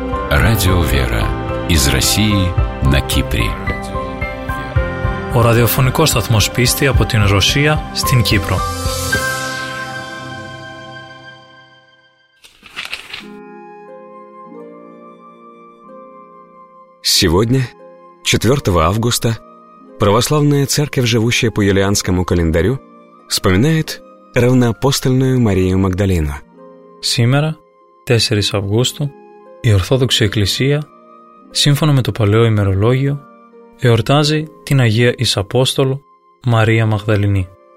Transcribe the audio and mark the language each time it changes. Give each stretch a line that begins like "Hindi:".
Russian: Радио «Вера» из России на Кипре.
Greek: Ο ραδιοφωνικός σταθμός πίστη από την Ρωσία στην Κύπρο.
Russian: Сегодня, 4 августа, православная церковь, живущая по юлианскому календарю, вспоминает равноапостольную Марию Магдалину. Сегодня, 4 августа,
Greek: η Ορθόδοξη Εκκλησία, σύμφωνα με το παλαιό ημερολόγιο, εορτάζει την Αγία εις Απόστολο Μαρία Μαγδαληνή.